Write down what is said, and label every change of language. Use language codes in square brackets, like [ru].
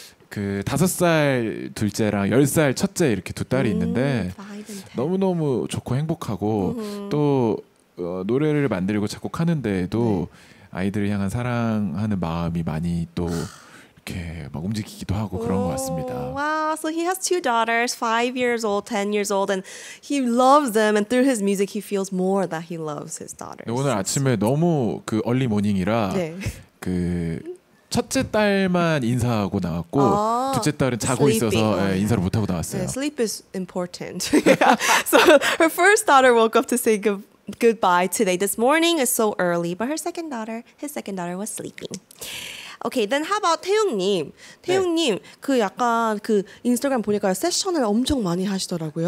[ko] 5살 둘째랑 10살 첫째 이렇게 두 딸이 있는데 너무너무 좋고 행복하고 또 노래를 만들고 작곡하는 데에도 아이들을 향한 사랑하는 마음이 많이 또 이렇게 막 움직이기도 하고 그런 것 같습니다. [en] Wow, so he has two daughters, 5 years old, 10 years old, and he loves them. And through his music, he feels more that he loves his daughters. [ko] 오늘 아침에 너무 그 [en] early morning [ko] 이라 네. 그 첫째 딸만 인사하고 나왔고 oh, 둘째 딸은 자고 [en] sleeping. [ko] 있어서 예, 인사를 못 하고 나왔어요. [en] Yeah, sleep is important. Yeah. So her first daughter woke up to say goodbye today. This morning is so early, but her second daughter, his second daughter was sleeping. Okay, then how about 태용님? 태용님 네. [ko] 그 약간 그 인스타그램 보니까 세션을 엄청 많이 하시더라고요.